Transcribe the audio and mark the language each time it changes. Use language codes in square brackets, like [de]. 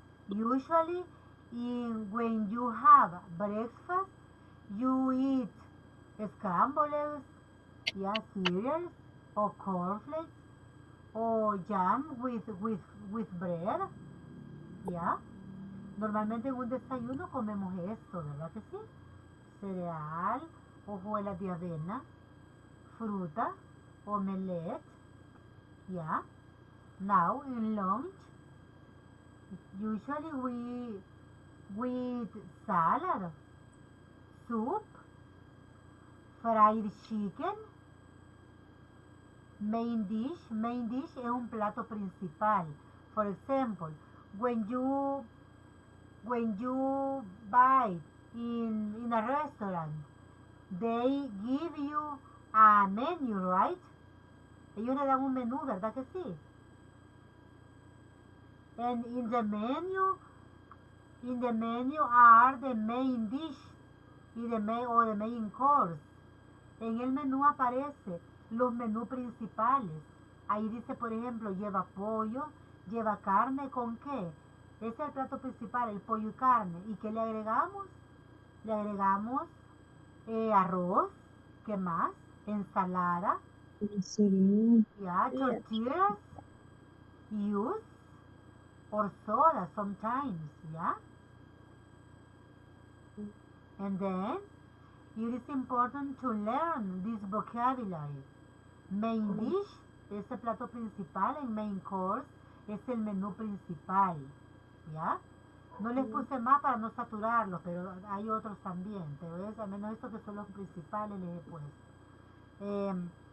[en] Usually, when you have breakfast, you eat scrambled eggs, yeah, cereals, or cornflakes. Or jam with bread, yeah. [es] Normalmente en un desayuno comemos esto, ¿verdad que sí? Cereal, hojuelas de avena, fruta, omelette, yeah. [en] Now in lunch, usually we eat salad, soup, fried chicken. [es] Main dish es un plato principal. [en] For example, when you buy in a restaurant, they give you a menu, right? [es] Ellos le dan un menú, ¿verdad que sí? [en] And in the menu are the main dish the main course. [es] En el menú aparece los menús principales. Ahí dice, por ejemplo, lleva pollo, lleva carne, ¿con qué? Ese es el plato principal, el pollo y carne. ¿Y qué le agregamos? Le agregamos arroz, ¿qué más? Ensalada. Sí. Ya, tortillas. Yus. O soda, sometimes, ¿ya? [en] And then, it is important to learn this vocabulary. [es] Main dish, ese plato principal, en main course, es el menú principal, ¿ya? No les puse más para no saturarlos, pero hay otros también, pero es al menos estos que son los principales les he puesto.